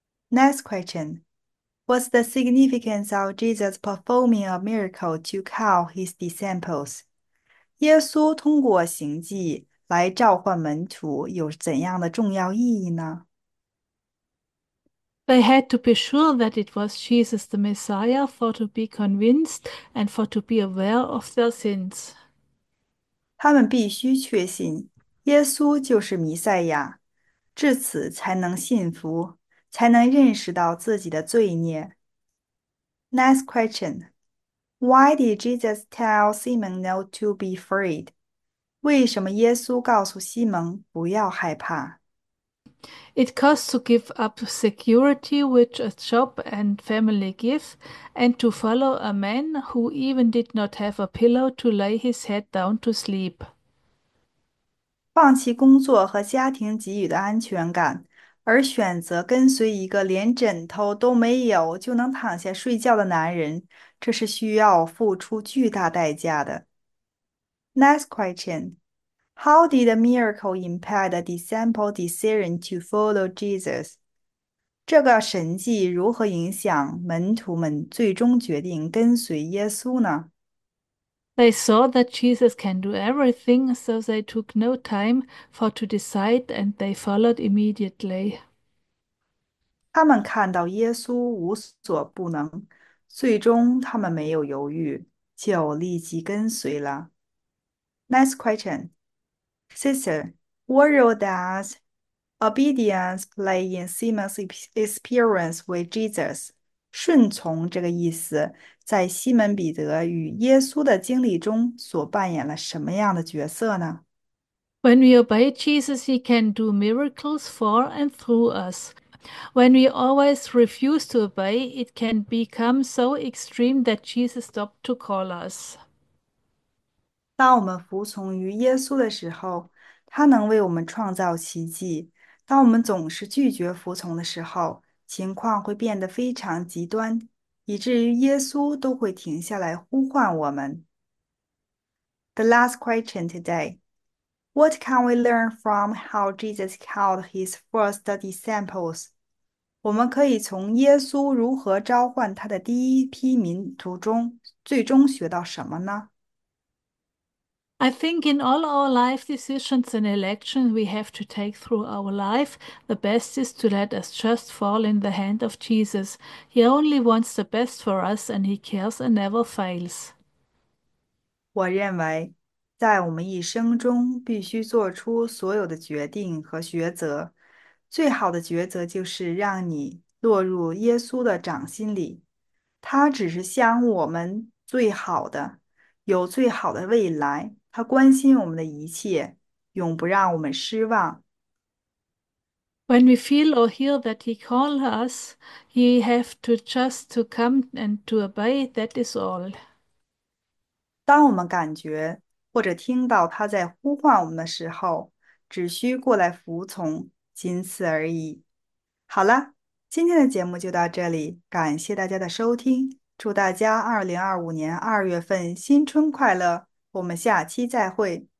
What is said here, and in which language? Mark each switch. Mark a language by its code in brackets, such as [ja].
[en] Next question. What's the significance of Jesus performing a miracle to call his disciples? [zh] 耶稣通过行迹来召唤门徒，有怎样的重要意义呢？ [en] They had to be sure that it was Jesus the Messiah for to be convinced and for to be aware of their sins. [zh] 他们必须确信耶稣就是弥赛亚，至此才能信服，才能认识到自己的罪孽。 [en] Next question. Why did Jesus tell Simon not to be afraid? [zh] 为什么耶稣告诉西蒙不要害怕？ [en] It costs to give up security, which a job and family give, and to follow a man who even did not have a pillow to lay his head down to sleep. [zh] 放弃工作和家庭给予的安全感，而选择跟随一个连枕头都没有就能躺下睡觉的男人，这是需要付出巨大代价的。 [en] Next question. How did the miracle impact the disciples' decision to follow Jesus? [zh] 这个神迹如何影响门徒们最终决定跟随耶稣呢？ [en] They saw that Jesus can do everything, so they took no time for to decide and they followed immediately. [zh] 他们看到耶稣无所不能，最终他们没有犹豫，就立即跟随了。 [en] Next question. Sister, what role does obedience play in Simon's experience with Jesus? [zh] 顺从这个意思，在西门彼得与耶稣的经历中所扮演了什么样的角色呢？ [en] When we obey Jesus, he can do miracles for and through us. When we always refuse to obey, it can become so extreme that Jesus stopped to call us. [zh] 当我们服从于耶稣的时候，他能为我们创造奇迹；当我们总是拒绝服从的时候，情况会变得非常极端，以至于耶稣都会停下来呼唤我们。 [en] The last question today: What can we learn from how Jesus called his first disciples? [zh] 我们可以从耶稣如何召唤他的第一批门徒中，最终学到什么呢？ [en] I think in all our life decisions and elections we have to take through our life, the best is to let us just fall in the hand of Jesus. He only wants the best for us and he cares and never fails. [zh] 我认为，在我们一生中必须做出所有的决定和抉择，最好的抉择就是让你落入耶稣的掌心里。他只是想我们最好的，有最好的未来。他关心我们的一切，永不让我们失望。 [en] When we feel or hear that he calls us, we have to just to come and to obey, that is all. [zh] 当我们感觉或者听到他在呼唤我们的时候，只需过来服从，仅此而已。好了，今天的节目就到这里，感谢大家的收听，祝大家2025年2月份新春快乐，我们下期再会。